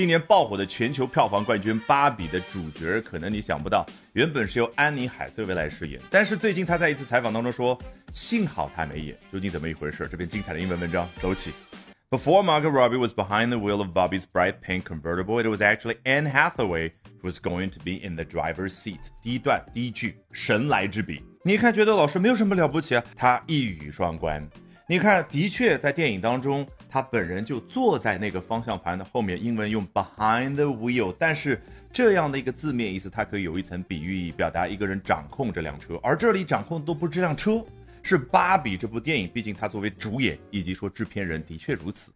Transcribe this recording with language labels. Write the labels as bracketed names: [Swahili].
[Chinese] 今年爆火的全球票房冠军芭比的主角，可能你想不到，原本是由安妮海瑟薇来饰演，但是最近她在一次采访当中说幸好她没演。究竟怎么一回事？这篇精彩的英文文章走起。 [English] Before Margot Robbie was behind the wheel of Barbie's bright pink convertible, it was actually Anne Hathaway who was going to be in the driver's seat. [Chinese] 第一段第一句，神来之笔，你看觉得老师没有什么了不起啊，他一语双关。你看的确在电影当中他本人就坐在那个方向盘的后面，英文用 [English] behind the wheel， [Chinese] 但是这样的一个字面意思它可以有一层比喻，表达一个人掌控这辆车，而这里掌控都不是这辆车，是芭比这部电影，毕竟他作为主演以及说制片人的确如此。